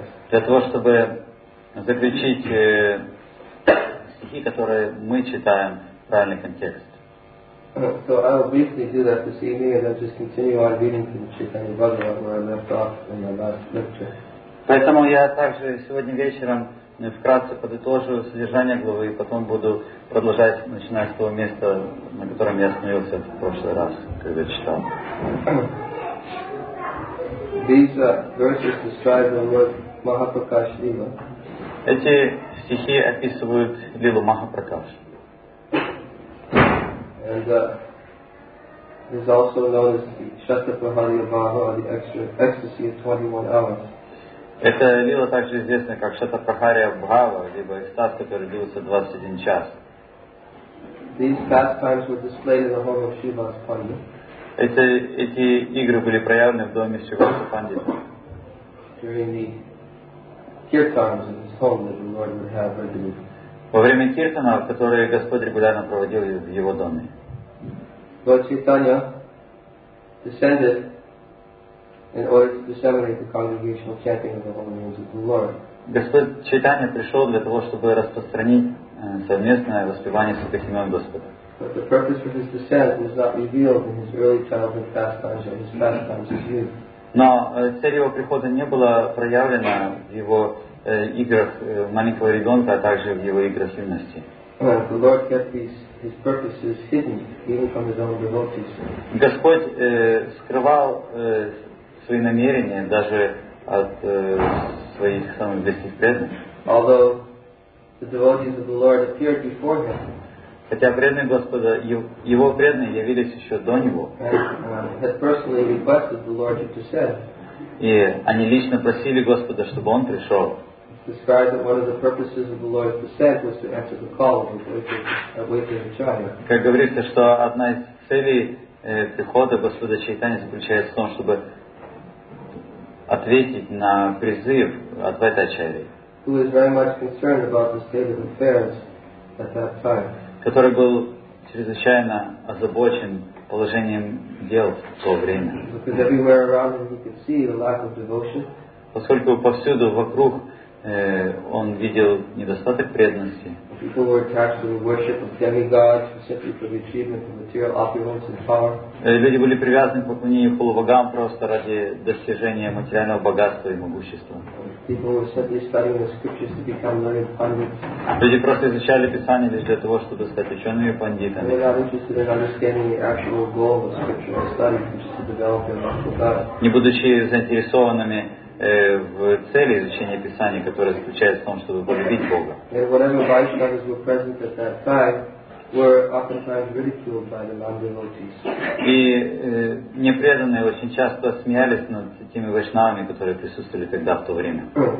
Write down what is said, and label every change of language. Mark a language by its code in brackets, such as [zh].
[ru] Для того, чтобы заключить стихи, которые мы читаем, в правильный контекст. [en] So I will briefly do that this evening and then just continue on reading from Chaitanya Bhagavat where I left off in the last lecture. [ru] Поэтому я также сегодня вечером вкратце подытожу содержание главы и потом буду продолжать начинать с того места, на котором я остановился в прошлый раз, когда читал. [en] These verses describe the word Mahaprakash Lila. [ru] Эти стихи описывают Лилу Махапракаш. [en] And is also known as the Shatapahariya Bhava, or the ecstasy of 21 hours. [ru] Эта лила также известна как Шатапахария Бхава, либо экстаз, который длился 21 час. [en] These pastimes were displayed in the home of Shiva's Pandit. [ru] Эти игры были проявлены в доме Шивы Пандит. [en] During the kirtans in his home that the Lord would have regularly. [ru] Во время киртана, которые Господь регулярно проводил в его доме. [en] Lord Chaitanya descended in order to disseminate the congregational chanting of the holy names of the Lord. [ru] Господь Чайтанья пришел для того, чтобы распространить совместное воспевание святых имен Господа. [en] But the purpose of his descent was not revealed in his early childhood pastimes or his pastimes of youth. [ru] Но цель его прихода не была проявлена в его играх маленького ребенка, а также в его играх юности. [en] The Lord kept his purposes hidden even from his own devotees. [ru] Господь скрывал свои намерения даже от своих самых близких преданных. [en] Although the devotees of the Lord appeared before him. [ru] Хотя преданные Господа, его преданные явились еще до него. [en] And had personally requested the Lord to descend. [ru] И они лично просили Господа, чтобы он пришел. [en] Described that one of the purposes of the Lord's descent was to answer the call of awakened Acharya. [ru] Как говорится, что одна из целей прихода Господа Чайтанья заключается в том, чтобы ответить на призыв Адвайта Ачарьи. [en] Who was very much concerned about the state of affairs at that time. [ru] Который был чрезвычайно озабочен положением дел в то время. [en] Because everywhere around him he could see the lack of devotion. [ru] Поскольку повсюду вокруг он видел недостаток преданности. [en] People were attached to the worship of demigods simply for the achievement of material opulence and power. [ru] Люди были привязаны к поклонению полубогам просто ради достижения материального богатства и могущества. [en] People were simply studying the scriptures to become learned pundits. [ru] Люди просто изучали Писание лишь для того, чтобы стать учеными пандитами. [en] They were not interested in understanding the actual goal of scriptural study, which is to develop their natural God. [ru] Не будучи заинтересованными в цели изучения Писания, которое заключается в том, чтобы полюбить Бога. И непреданные очень часто смеялись над теми вайшнавами, которые присутствовали тогда в то время.